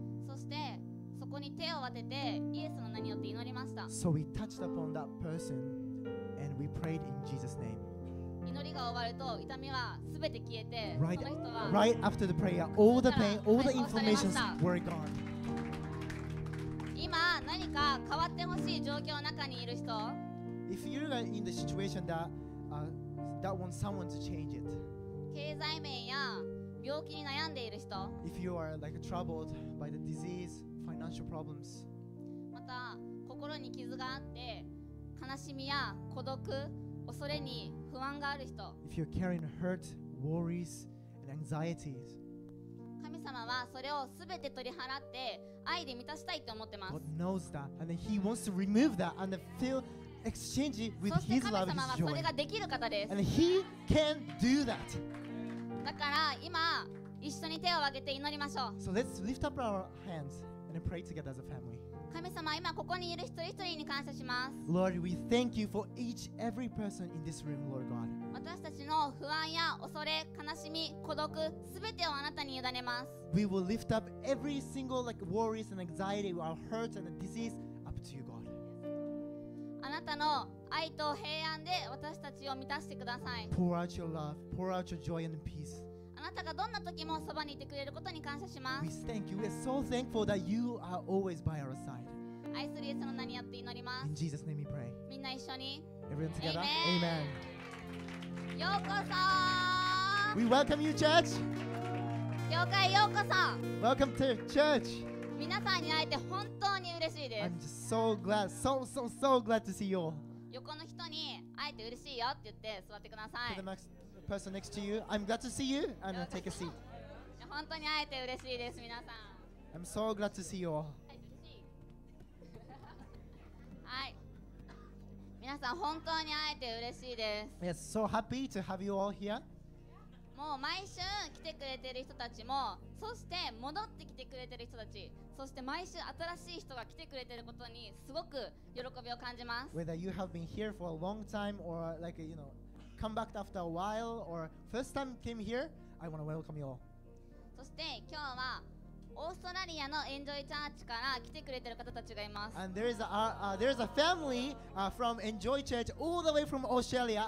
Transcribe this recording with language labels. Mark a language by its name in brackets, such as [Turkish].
[Japanese] そしてそこに手を当ててイエスの名によって祈りました。 [English] So we touched upon that person and we prayed in Jesus' name. [Japanese] 祈りが終わると痛みはすべて消えて、 [English] right, [Japanese] その人は [English] right after the prayer, all the pain, all the inflammations were gone. [Japanese] 今何か変わってほしい状況の中にいる人、 [English] if you're in the situation that wants someone to change it, [Japanese] 経済面や病気に悩んでいる人、 [English] if you are like troubled by the disease, financial problems, [Japanese] また心に傷があって悲しみや孤独、恐れに不安がある人、 [English] if you're carrying hurt, worries, and anxieties, [Japanese] 神様はそれをすべて取り払って愛で満たしたいと思ってます。 [English] God knows that, and he wants to remove that and fill, exchange it with his love, his joy. [Japanese] そして神様はそれができる方です。 [English] And he can do that. [Japanese] だから今一緒に手を挙げて祈りましょう。 [English] So let's lift up our hands and pray together as a family. [Japanese] 神様、今ここにいる一人一人に感謝します。 [English] Lord, we thank you for each every person in this room, Lord God. [Japanese] 私たちの不安や恐れ、悲しみ、孤独、すべてをあなたに委ねます。 [English] We will lift up every single like worries and anxiety, our hurts and disease up to you, God. [Japanese] あなたの愛と平安で私たちを満たしてください。 [English] Pour out your love, pour out your joy and peace. [Japanese] あなたがどんな時もそばにいてくれることに感謝します。 [English] We thank you. We are so thankful that you are always by our side. [Japanese] 愛するイエスの名によって祈ります。 [English] In Jesus' name we pray. [Japanese] みんな一緒に。 [English] Everyone together. Amen. [Japanese] ようこそ。 [English] We welcome you, church. [Japanese] 教会ようこそ。 [English] Welcome to church. [Japanese] みなさんに会えて本当に嬉しいです。 [English] I'm just so glad, so so so glad to see you all. [Japanese] 横の人に会えて嬉しいよって言って座ってください。 [English] Person next to you, I'm glad to see you and take a seat. [Japanese] 本当に会えて嬉しいです皆さん。 [English] I'm so glad to see you all. [Japanese] はい、皆さん本当に会えて嬉しいです。 [English] Yes, so happy to have you all here. [Japanese] もう毎週来てくれてる人たちも、そして戻ってきてくれてる人たち、そして毎週新しい人が来てくれてることにすごく喜びを感じます。 [English] Whether you have been here for a long time or like you knowcome back after a while or first time came here, I want to welcome you all. [Japanese] そして今日はオーストラリアのエンジョイチャーチから来てくれてる方たちがいます。 [English] And there is a family from Enjoy Church all the way from Australia.